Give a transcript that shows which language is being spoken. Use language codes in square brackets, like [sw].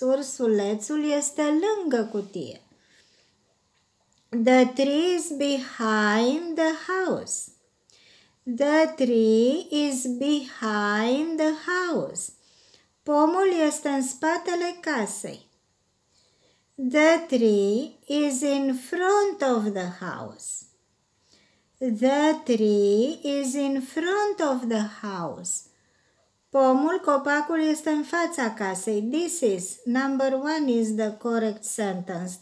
[ro] Ursulețul este lângă cutie. [en] The tree is behind the house. The tree is behind the house. [ro] Pomul este în spatele casei. [en] The tree is in front of the house. The tree is in front of the house. [ro] Pomul, copacul este în fața casei. [en] This is, number one is the correct sentence.